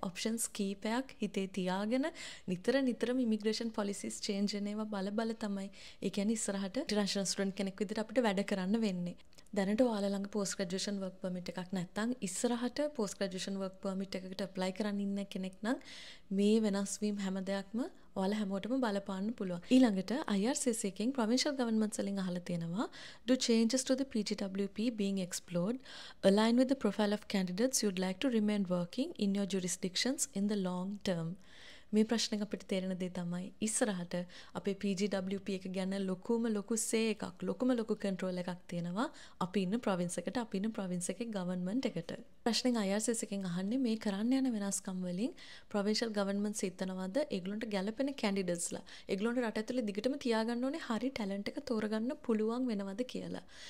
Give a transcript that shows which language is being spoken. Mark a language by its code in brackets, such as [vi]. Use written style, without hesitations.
[si] Options කීපයක් හිතේ තියාගෙන නිතර නිතරම ඉමිග්‍රේෂන් පොලිසිස් චේන්ජ් වෙනවා බල බල තමයි, ඒ කියන්නේ ඉස්සරහට ඉන්ටර්නැෂනල් ස්ටුඩන්ට් කෙනෙක් විදිහට අපිට වැඩ කරන්න වෙන්නේ. දැනට ඔයාලා ළඟ පෝස්ට් ග්‍රැජුවේෂන් වර්ක් පර්මිට් එකක් නැත්නම්, ඉස්සරහට පෝස්ට් ග්‍රැජුවේෂන් වර්ක් පර්මිට් එකකට අප්ලයි කරන්න ඉන්න කෙනෙක් නම් මේ වෙනස් වීම හැම දෙයක්ම ඔයාලා හැමෝටම බලපාන්න පුළුවන්. ඊළඟට IRRC එකෙන් ප්‍රොවින්ෂල් ගවර්න්මන්ට්ස් වලින් අහලා තියෙනවා, [en] Do changes to the PGWP being explored align with the profile of candidates you'd like to remain working in your jurisdictions in the long term? [si] මේ ප්‍රශ්නෙ අපිට තේරෙන දේ තමයි ඉස්සරහට අපේ PGWP එක ගැන ලොකුම ලොකු සේ එකක්, ලොකුම ලොකු කන්ට්‍රෝල් එකක් තියෙනවා අපි ඉන්න ප්‍රොවින්ස් එකට, අපි ඉන්න ප්‍රොවින්ස් එකේ ගවර්න්මන්ට් එකට. ප්‍රශ්නෙ IRRC එකෙන් අහන්නේ මේ කරන්න යන වෙනස්කම් වලින් ප්‍රොවින්ෂල් ගවර්න්මන්ට්ස් හිතනවද ඒගොල්ලන්ට ගැළපෙන කැන්ඩිඩේට්ස්ලා, ඒගොල්ලන්ට රට ඇතුළේ දිගටම තියාගන්න ඕනේ හරි ටැලන්ට් එක තෝරගන්න පුළුවන් වෙනවද කියලා.